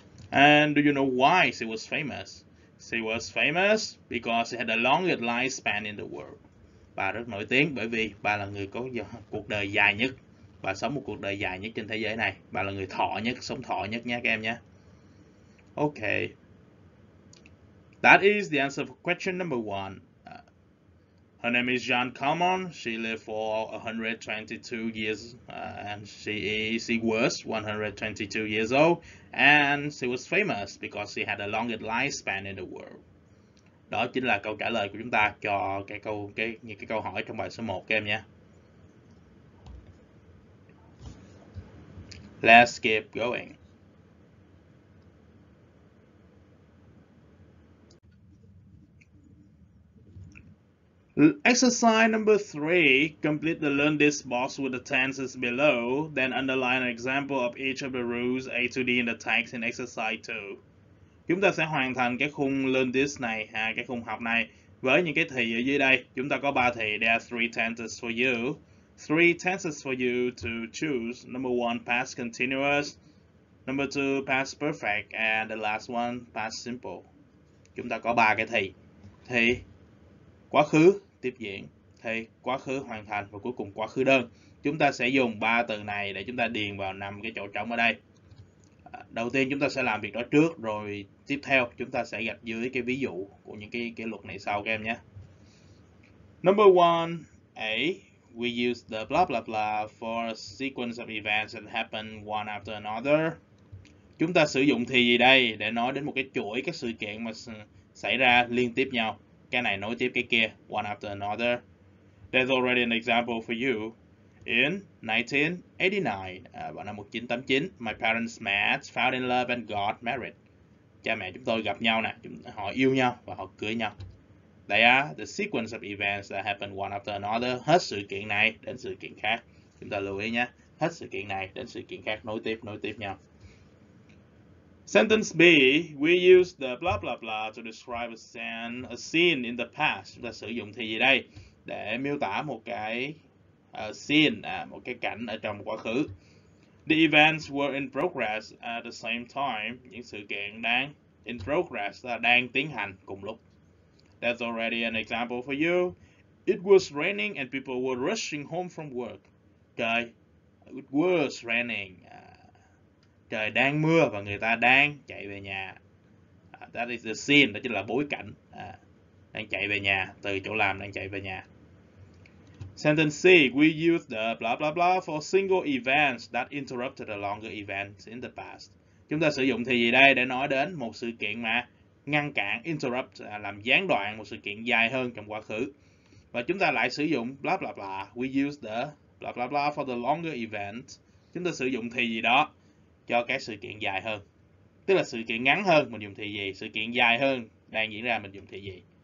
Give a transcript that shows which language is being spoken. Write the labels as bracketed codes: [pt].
[en] And do you know why she was famous? She was famous because she had the longest lifespan in the world. [vi] Bà rất nổi tiếng bởi vì bà là người có cuộc đời dài nhất. Bà sống một cuộc đời dài nhất trên thế giới này. Bà là người thọ nhất, sống thọ nhất nha các em nhé. [en] Okay. That is the answer for question number one. Her name is Jeanne Calment. She lived for 122 years, and she was 122 years old, and she was famous because she had the longest lifespan in the world. [vi] Đó chính là câu trả lời của chúng ta cho cái câu hỏi trong bài số 1 các em nhé. [en] Let's keep going. Exercise number three, complete the learn this box with the tenses below, then underline an example of each of the rules A to D in the text in exercise two. [vi] Chúng ta sẽ hoàn thành cái khung learn this này, cái khung học này với những cái thì ở dưới đây. Chúng ta có 3 thì, [en] there are three tenses for you. Three tenses for you to choose. Number one, past continuous. Number two, past perfect. And the last one, past simple. [vi] Chúng ta có 3 cái thì. Thì quá khứ tiếp diễn thì quá khứ hoàn thành và cuối cùng quá khứ đơn. Chúng ta sẽ dùng ba từ này để chúng ta điền vào năm cái chỗ trống ở đây. Đầu tiên chúng ta sẽ làm việc đó trước, rồi tiếp theo chúng ta sẽ gạch dưới cái ví dụ của những cái luật này sau các em nhé. [en] Number one, A, we use the blah blah blah for a sequence of events that happen one after another. [vi] Chúng ta sử dụng thì gì đây để nói đến một cái chuỗi các sự kiện mà xảy ra liên tiếp nhau. Cái này nối tiếp cái kia, [en] one after another. There's already an example for you. In 1989, [vi] vào năm 1989, [en] my parents met, fell in love and got married. [vi] Cha mẹ chúng tôi gặp nhau nè, họ yêu nhau và họ cưới nhau. [en] They are the sequence of events that happen one after another. [vi] Hết sự kiện này đến sự kiện khác. Chúng ta lưu ý nhé. Hết sự kiện này đến sự kiện khác, nối tiếp nhau. [en] Sentence B, we use the blah blah blah to describe a scene in the past. [vi] Chúng ta sử dụng thì gì đây để miêu tả một cái scene, một cái cảnh ở trong quá khứ. [en] The events were in progress at the same time. [vi] Những sự kiện đang [en] in progress [vi] là đang tiến hành cùng lúc. [en] That's already an example for you. It was raining and people were rushing home from work. Trời, it was raining. [vi] Trời đang mưa và người ta đang chạy về nhà. [en] That is the scene, [vi] đó chính là bối cảnh. Đang chạy về nhà, từ chỗ làm đang chạy về nhà. [en] Sentence C, we use the blah blah blah for single events that interrupted a longer event in the past. [vi] Chúng ta sử dụng thì gì đây để nói đến một sự kiện mà ngăn cản, interrupt, làm gián đoạn một sự kiện dài hơn trong quá khứ. Và chúng ta lại sử dụng [en] blah blah blah, we use the blah blah blah for the longer event. [vi] Chúng ta sử dụng thì gì đó cho cái sự kiện dài hơn. Tức là sự kiện ngắn hơn mình dùng thì gì, sự kiện dài hơn đang diễn ra mình dùng thì gì.